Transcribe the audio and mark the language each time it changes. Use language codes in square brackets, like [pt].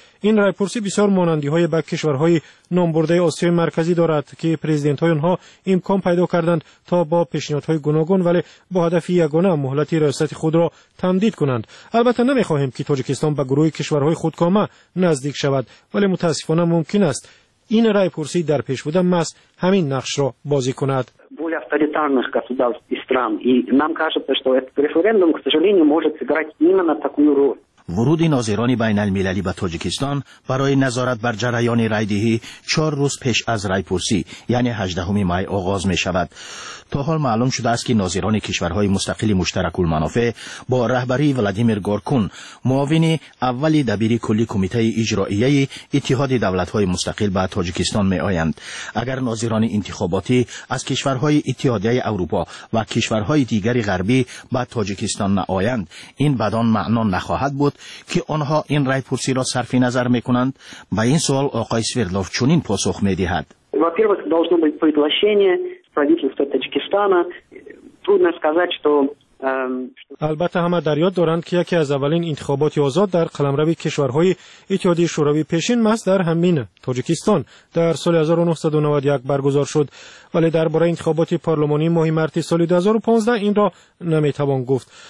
[fa] این رای پرسی بسیار مانندی های به کشورهای نامبرده آسیای مرکزی دارد که پرزیدنت های آنها امکان پیدا کردند تا با پیشنهادهای گوناگون ولی با هدف یگانه مهلت ریاست خود را تمدید کنند. البته نمی خواهیم که تاجیکستان به گروه کشورهای خودکامه نزدیک شود، ولی متاسفانه ممکن است این رای پرسی در پیش بوده مس همین نقش را بازی کند. [ru] авторитарных государств и стран. И нам кажется, что этот референдум, к сожалению, может сыграть именно такую роль. [fa] ورود ناظران بین المللی به تاجیکستان برای نظارت بر جریان رای دهی 4 روز پیش از رای پرسی یعنی 18 می آغاز می شود. تا حال معلوم شده است که ناظران کشورهای مستقل مشترک المنافع با رهبری ولادیمیر گورکون، معاون اول دبیر کلی کمیته اجرایی اتحاد دولت های مستقل به تاجیکستان می آیند. اگر ناظران انتخاباتی از کشورهای اتحادیه اروپا و کشورهای دیگری غربی به تاجیکستان نآیند، این بدان معنا نخواهد بود که آنها این رای پرسی را صرف نظر می کنند. با این سوال آقای سویردلوف چنین پاسخ می دهد. [ru] Во-первых, должно быть приглашение правительства Таджикистана. Трудно сказать, что [fa] البته همه در یاد دارند که یکی از اولین انتخابات آزاد در قلمرو کشورهای اتحادیه شوروی پیشین محض در همین تاجیکستان در سال 1991 برگزار شد، ولی درباره انتخابات پارلمانی ماه مارس سال 2015 این را نمیتوان گفت.